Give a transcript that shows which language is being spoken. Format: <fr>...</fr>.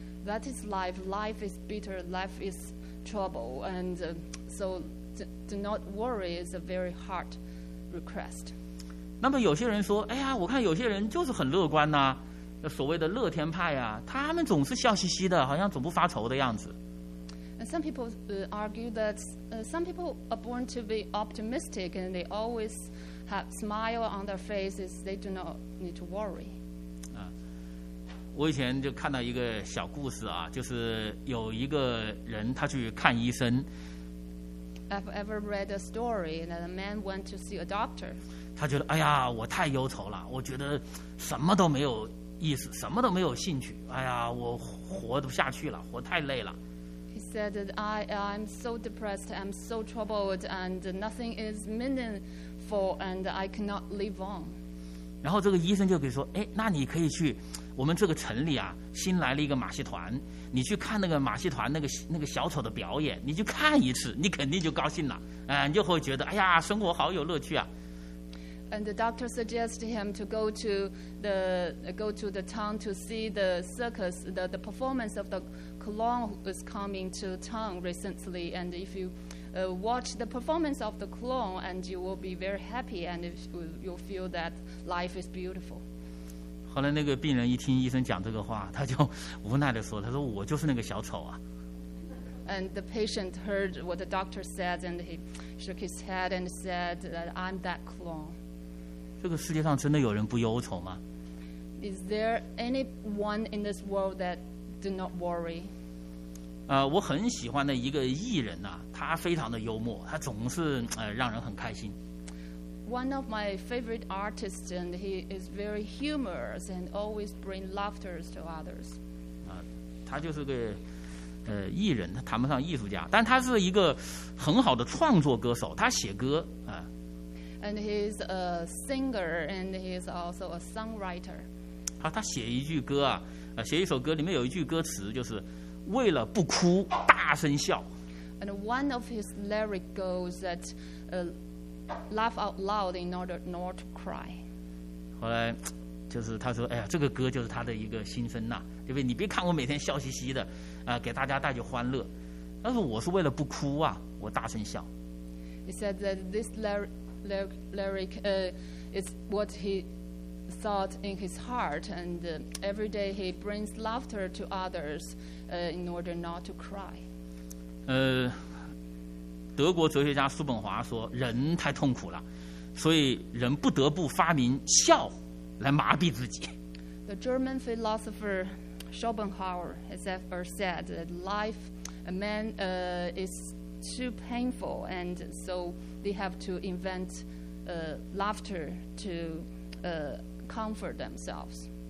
<en>That is life. Life is bitter. Life is trouble. And so, do not worry is a very hard request.</en> <zh>那么有些人说，哎呀，我看有些人就是很乐观呐。所谓的乐天派啊，他们总是笑嘻嘻的，好像总不发愁的样子。</zh> <en>Some people argue that some people are born to be optimistic and they always have smile on their faces. They do not need to worry.</en> <zh>啊，我以前就看到一个小故事啊，就是有一个人他去看医生。</zh> <en>I've ever read a story that a man went to see a doctor.</en> <zh>他觉得哎呀，我太忧愁了，我觉得什么都没有。意思什么都没有兴趣，哎呀，我活不下去了，活太累了。</zh> <en>He said that I'm so depressed, I'm so troubled, and nothing is meaningful, and I cannot live on.</en> <zh>然后这个医生就可以说，哎，那你可以去我们这个城里啊，新来了一个马戏团，你去看那个马戏团那个小丑的表演，你去看一次，你肯定就高兴了，你就会觉得，哎呀，生活好有乐趣啊。</zh> <en>And the doctor suggested him to go to the town to see the circus, the performance of the clown was coming to town recently. And if you watch the performance of the clown, and you will be very happy, and you'll feel that life is beautiful.</en> <zh>后来那个病人一听医生讲这个话，他就无奈地说：“他说我就是那个小丑啊。”</zh> <en>And the patient heard what the doctor said, and he shook his head and said, that "I'm that clown."</en> <zh>这个世界上真的有人不忧愁吗？</zh> <en>Is there anyone in this world that do not worry?</en> <zh>我很喜欢的一个艺人呐、啊，他非常的幽默，他总是让人很开心。</zh> <en>One of my favorite artists, and he is very humorous and always bring laughter to others.</en> <zh>他就是个艺人，他谈不上艺术家，但他是一个很好的创作歌手，他写歌啊。</zh> <en>And he's a singer, and he's also a songwriter.</en> <zh>好，他写一句歌啊，写一首歌，里面有一句歌词就是“为了不哭，大声笑。”</zh> <en>And one of his lyric goes that, laugh out loud in order not to cry.</en> <zh>后来，就是他说，哎呀，这个歌就是他的一个心声呐，对不对？你别看我每天笑嘻嘻的，给大家带去欢乐，但是我是为了不哭啊，我大声笑。</zh> <en>He said that this lyric is what he thought in his heart, and every day he brings laughter to others in order not to cry.</en> <zh>德国哲学家叔本华说，人太痛苦了，所以人不得不发明笑来麻痹自己。</zh> <en>The German philosopher Schopenhauer has ever said that life, a man, is too painful, and so. They have to invent laughter to comfort themselves.</en>